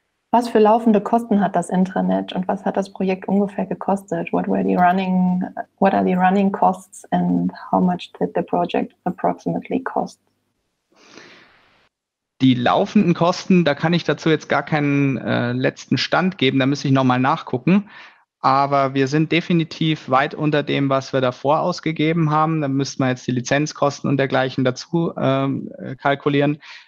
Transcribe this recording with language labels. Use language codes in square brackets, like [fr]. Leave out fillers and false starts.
[de] Was für laufende Kosten hat das Intranet und was hat das Projekt ungefähr gekostet? [en] What are the running costs and how much did the project approximately cost? [de] Die laufenden Kosten, da kann ich dazu jetzt gar keinen letzten Stand geben, da müsste ich nochmal nachgucken. Aber wir sind definitiv weit unter dem, was wir davor ausgegeben haben. Da müsste man jetzt die Lizenzkosten und dergleichen dazu kalkulieren.